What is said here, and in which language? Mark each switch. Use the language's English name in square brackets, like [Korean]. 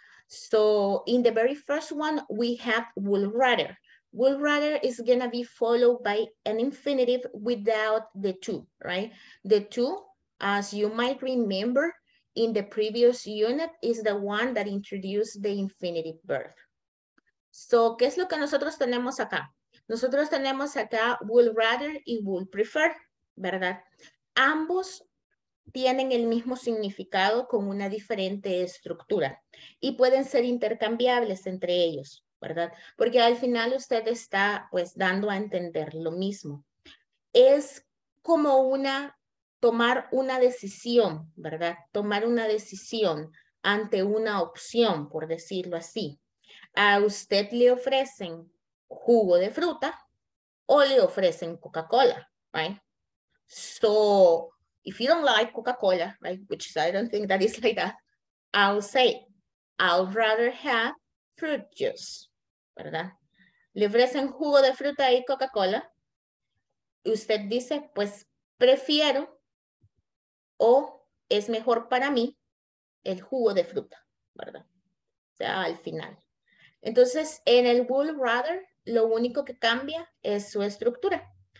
[English] So in the very first one, we have would rather. Would rather is gonna be followed by an infinitive without the to, right? The to, as you might remember in the previous unit, is the one that introduced the infinitive verb. [Spanish] So, ¿qué es lo que nosotros tenemos acá? Nosotros tenemos acá would rather y would prefer, ¿verdad? Ambos tienen el mismo significado con una diferente estructura y pueden ser intercambiables entre ellos, ¿verdad? Porque al final usted está pues dando a entender lo mismo. Es como una, tomar una decisión, ¿verdad? Tomar una decisión ante una opción, por decirlo así. A usted le ofrecen jugo de fruta o le ofrecen Coca-Cola, right? [English] So, if you don't like Coca-Cola, right, which is, I don't think that is like that, I'll say, I'll rather have fruit juice. [Spanish] ¿Verdad? Le ofrecen jugo de fruta y Coca-Cola. Usted dice, pues prefiero o es mejor para mí el jugo de fruta, ¿verdad? O sea, al final. Entonces, en el would rather, lo único que cambia es su estructura.